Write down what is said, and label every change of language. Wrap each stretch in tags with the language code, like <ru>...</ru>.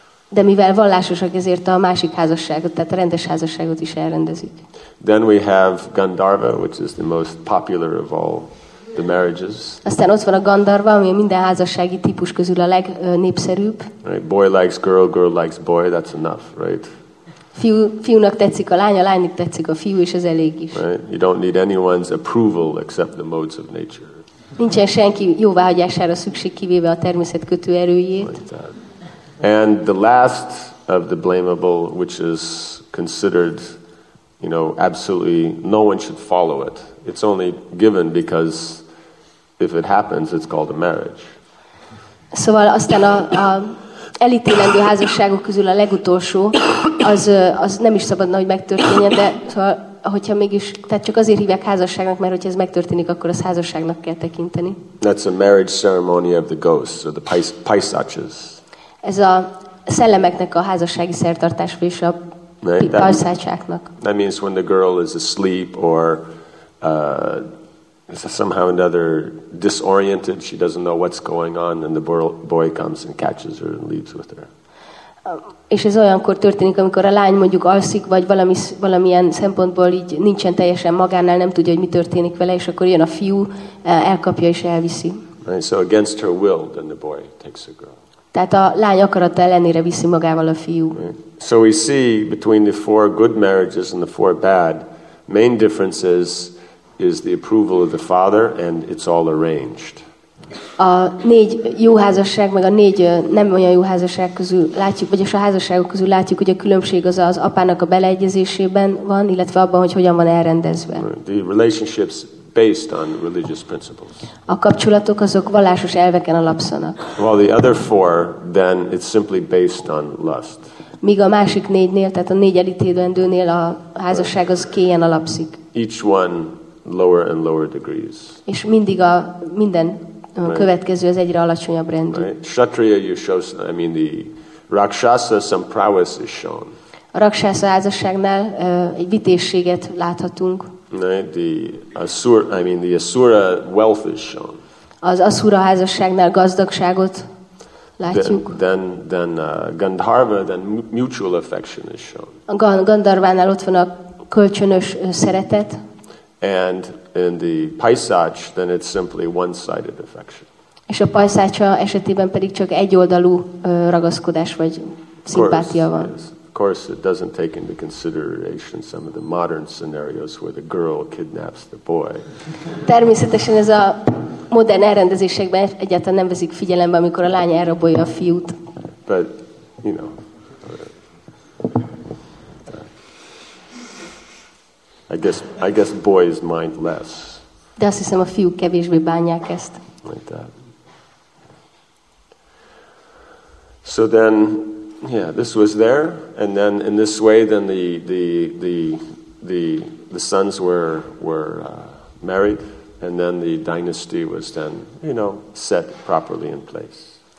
<hu>De mivel vallásosak, ezért a másik házasságot, tehát a rendes házasságot is elrendezik.</hu> <en>Then we have Gandharva, which is the most popular of all the marriages.</en> <hu>Aztán ott van a Gandharva, ami minden házassági típus közül a legnépszerűbb.</hu> <en>Right, boy likes girl, girl likes boy, that's enough, right?</en> <hu>Fiúnak tetszik a lánynak tetszik a fiú, és ez elég is.</hu> <en>Right? You don't need anyone's approval except the modes of nature.</en> <hu>Nincsen senki jóváhagyására szükség, kivéve a természet kötőerőjét.</hu> <en>Like and the last of the blamable, which is considered, you know, absolutely no one should follow it. It's only given because if it happens, it's called a marriage.</en> <hu>Szóval aztán a elítélendő házasságok közül a legutolsó, az nem is szabadna, hogy megtörténjen, de szóval, hogyha mégis, tehát csak azért hívják házasságnak, mert hogyha ez megtörténik, akkor az házasságnak kell tekinteni.</hu> <en>That's a marriage ceremony of the ghosts, or the paisachas.</en> <hu>Ez a szellemeknek a házassági szertartása és a pajszácsáknak.</hu> <en>That means when the girl is asleep or is somehow or another disoriented, she doesn't know what's going on, and the boy comes and catches her and leaves with her.</en> <hu>És ez olyankor történik, amikor a lány mondjuk alszik, vagy valamilyen szempontból így nincsen teljesen magánál, nem tudja, hogy mi történik vele, és akkor jön a fiú, elkapja és elviszi.</hu> <en>Right, so against her will, then the boy takes the girl.</en> <hu>Tehát a lány akarata ellenére viszi magával a fiú.</hu> <en>So we see between the four good marriages and the four bad, main difference is the approval of the father and it's all arranged.</en> <hu>A négy jó házasság meg a négy nem olyan jó házasság közül látjuk, vagyis a házasságok közül látjuk, hogy a különbség az apának a beleegyezésében van, illetve abban, hogy hogyan van elrendezve.</hu> <en>The relationships based on religious principles.</en> <hu>A kapcsolatok azok vallásos elveken alapszanak.</hu> <en>While the other four, then it's simply based on lust.</en> <hu>Míg a másik négynél, tehát a négy elítélendőnél a házasság az kéjen alapszik.</hu> <en>Each one lower and lower degrees.</en> <hu>És mindig minden következő az egyre alacsonyabb rendű.</hu> <en>Right. Kshatriya, the rakshasa, some prowess is shown.</en> <hu>A rakshasa házasságnál egy vitézséget láthatunk.</hu> <en>Right, the asura wealth is shown.</en> <hu>Az asura házasságnál gazdagságot látjuk.</hu> <en>Then Gandharva, then mutual affection is shown.</en> <hu>A Gandharvánál ott van a kölcsönös szeretet.</hu> <en>And in the paisach, then it's simply one-sided affection.</en> <hu>És a paisacha esetében pedig csak egyoldalú ragaszkodás vagy szimpátia van.</hu> <en>Of course, it doesn't take into consideration some of the modern scenarios where the girl kidnaps the boy.</en> <hu>Természetesen ez a modern elrendezésekben egyáltalán nem veszik figyelembe, amikor a lány elrabolja a fiút.</hu> <en>But, you know, I guess boys mind less.</en> <hu>De azt hiszem, a fiúk kevésbé bánják ezt.</hu> <en>Like that. So then, yeah, this was there, and then in this way, then the sons were married, and then the dynasty was then, you know, set properly in place.</en>